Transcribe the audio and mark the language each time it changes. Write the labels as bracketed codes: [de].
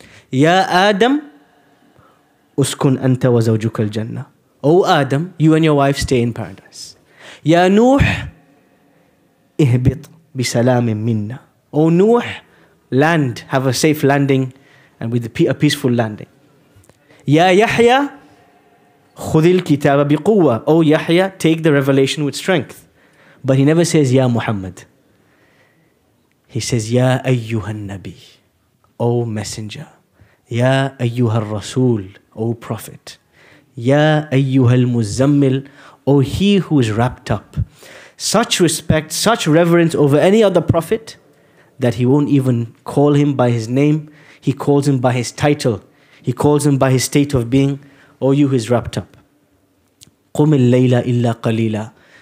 [ar] Ya Adam, uskun anta wa zawjuka al-jannah. [en] O Adam, you and your wife stay in paradise. [ar] Ya Nuh, ihbit bisalamin minna. [en] O Nuh, land, have a safe landing and with a peaceful landing. [ar] Ya Yahya, خُذِ الْكِتَابَ بِقُوَّةِ. [en] O Yahya, take the revelation with strength. But he never says, Ya Muhammad. He says, [ar] Ya أَيُّهَا النَّبِي. [en] O Messenger. [ar] Ya أَيُّهَا الرَّسُول. [en] O Prophet. [ar] Ya أَيُّهَا الْمُزَّمِّلْ. [en] O he who is wrapped up. Such respect, such reverence over any other Prophet that he won't even call him by his name. He calls him by his title. He calls him by his state of being. O you who is wrapped up. [ar] قُمْ اللَّيْلَ إِلَّا قَلِيلًا.